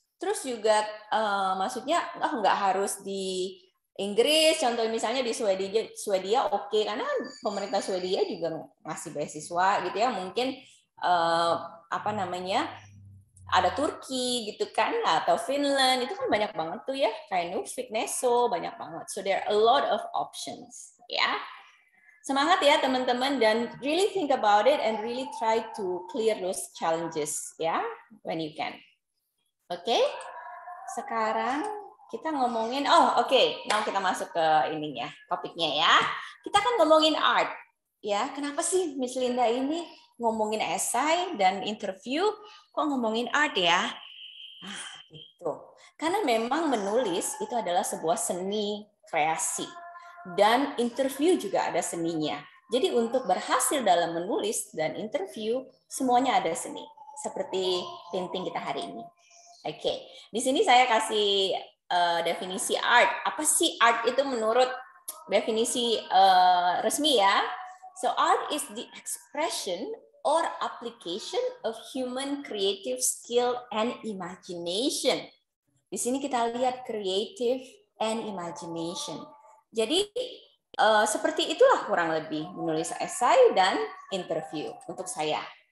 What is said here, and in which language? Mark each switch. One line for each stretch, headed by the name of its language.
Indonesian: Terus juga maksudnya nggak harus di Inggris, contoh misalnya di Swedia oke, karena kan pemerintah Swedia juga ngasih beasiswa gitu ya, mungkin ada Turki gitu kan, atau Finland, itu kan banyak banget tuh ya, kayak Nufik, Neso, banyak banget.
English: So there are a lot of options, ya. Yeah. Semangat ya teman-teman, dan really think about it and really try to clear those challenges, ya, yeah, when you can. Oke, okay?
Indonesian: Sekarang kita ngomongin, now kita masuk ke ininya, topiknya ya. Kita kan ngomongin art, ya. Kenapa sih Miss Linda ini ngomongin esai dan interview, kok ngomongin art ya? Itu. Karena memang menulis itu adalah sebuah seni kreasi. Dan interview juga ada seninya. Jadi untuk berhasil dalam menulis dan interview, semuanya ada seni. Seperti painting kita hari ini. Oke, okay. Di sini saya kasih definisi art. Apa sih art itu menurut definisi resmi ya?
English: So art is the expression or application of human creative skill and imagination.
Indonesian: Di sini kita lihat creative and imagination. Jadi seperti itulah kurang lebih menulis esai dan interview untuk saya.